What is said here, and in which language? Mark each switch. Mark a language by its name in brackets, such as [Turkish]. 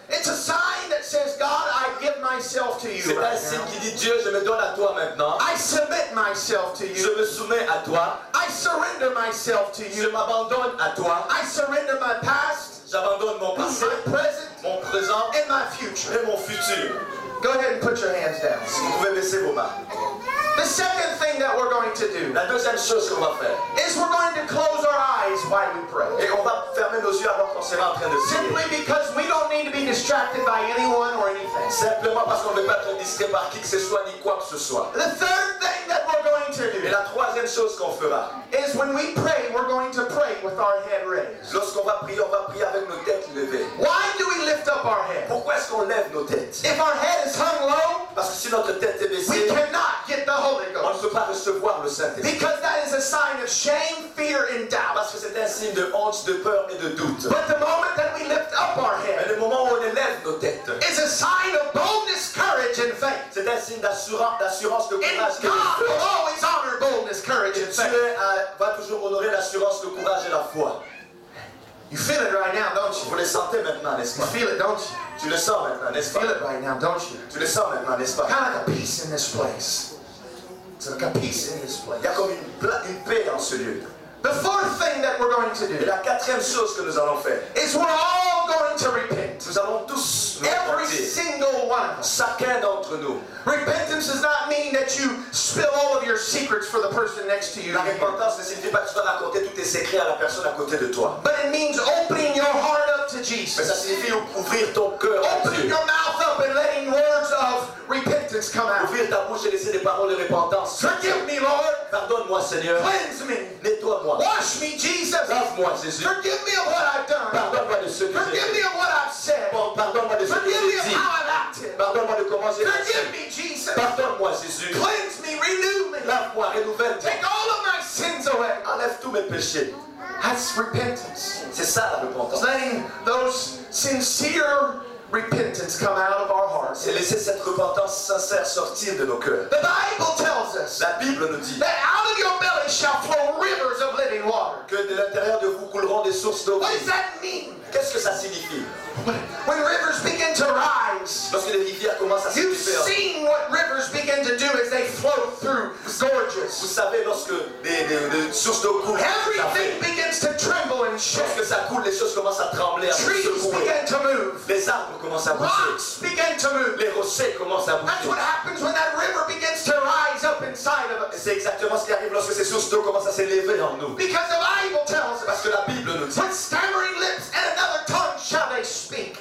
[English] It's a sign that says, God, I give myself to you. [French] C'est [English] right [French] un signe qui dit, Dieu, je me donne à toi maintenant. [English] I submit myself to you. [French] Je me soumets à toi. [English] I surrender myself to you. [French] Je m'abandonne à toi. [English] I surrender my past. [French] J'abandonne mon passé. [English] My present. [French] Mon présent. [English] And my future. [French] Et mon futur. [English] Go ahead and put your hands down. [French] Si vous pouvez baisser vos mains. [English] The second thing that we're going to do, [French] la deuxième chose qu'on va faire, [English] is we're going to close our eyes while we pray. [French] Et on va fermer nos yeux alors qu'on sera en train de prier. [English] Simply because we don't need to be distracted by anyone or anything. [French] Simplement parce qu'on ne veut pas être distrait par qui que ce soit ni quoi que ce soit. [English] The third thing that we're going to do, [French] et la troisième chose qu'on fera, [English] is when we pray, we're going to pray with our head raised. [French] Lorsqu'on va prier, on va prier avec nos têtes levées. [English] Why do we lift up our head? [French] Pourquoi est-ce qu'on lève nos têtes? [English] If our head is hung low, [French] parce que si notre tête est baissée, [English] we cannot get the Holy Ghost. [French] On ne peut pas recevoir le Saint-Esprit. [English] Because that is a sign of shame, fear, and doubt. [French] Parce que c'est un signe de honte, de peur et de doute. [English] But the moment that we lift up our head, [French] mais le moment où on élève nos têtes, [English] is a sign of boldness, courage, and faith. [French] C'est un signe d'assurance, de courage. [English] And God will always honor boldness, courage, and faith. [French] Va toujours honorer l'assurance, le courage et la foi. [English] You feel it right now, don't you? [French] Vous le sentez maintenant, n'est-ce pas? [English] You feel it, don't you? [French] Tu le sens maintenant, n'est-ce pas? [English] You feel it right now, don't you? [French] Tu le sens maintenant, n'est-ce pas? [English] Kind of like a peace in this place. It's like a peace in this place. [French] Il y a comme une paix en ce lieu. [English] The fourth thing that we're going to do. [French] Et la quatrième chose que nous allons faire. [English] Is we're all going to repent. [French] Nous allons tous [English] every [French] repentir. [English] Single one. [French] Chacun d'entre nous. [English] Repentance does not mean that you spill all of your secrets for the person next to you. [French] La repentance ne signifie pas que tu dois raconter tous tes secrets à la personne à côté de toi. [English] But it means opening your heart up to Jesus. [French] Mais ça signifie ouvrir ton cœur à Dieu. [English] Open your mouth up and letting words of repentance come out. [French] Ouvrir ta bouche et laisser des paroles de repentance. [English] Forgive me, Lord. [French] Pardonne-moi, Seigneur. [English] Cleanse me. [French] Nettoie-moi. [English] Wash me, Jesus. [French] Lave-moi, Jésus. [English] Forgive me of what I've done. [French] Pardonne-moi de ce que j'ai fait. [English] Forgive me of what I've said. [French] pardonne-moi de commencer. [English] Forgive me, Jesus. [French] Pardonne-moi, Jésus. [English] Cleanse me, renew me. [French] Lave-moi, renouvelle-moi. [English] Take all of my sins away. [French] Enlève tous mes péchés. [English] That's repentance. [French] C'est ça la repentance. [English] It's letting those sincere repentance come out of our hearts. [French] C'est laisser cette repentance sincère sortir de nos cœurs. [English] The Bible tells us. [French] La Bible nous dit. [English] That out of your belly shall flow rivers of living water. [French] Que de l'intérieur de vous couleront des sources d'eau. [English] What does that mean? [French] Qu'est-ce que ça signifie? [English] When rivers begin to rise, [French] lorsque les rivières commencent à se [English] you've [French] faire, [English] seen what rivers begin to do as they flow through gorges. [French] Vous savez, lorsque des sources d'eau coulent, [English] everything begins to tremble and shake. [French] Lorsque ça coule, les choses commencent à trembler, [English] trees [French] à se secouer. [English] Begin to move. [French] Les arbres commencent à bouger. [English] Rocks begin to move. [French] Les rochers commencent à bouger. [English] That's what happens when that river begins to rise up inside of us. [French] C'est exactement ce qui arrive lorsque ces sources d'eau commencent à s'élever en nous. [English] Because the Bible tells us. [French] Parce que la Bible nous dit. [English] With stammering lips and another tongue shall they speak.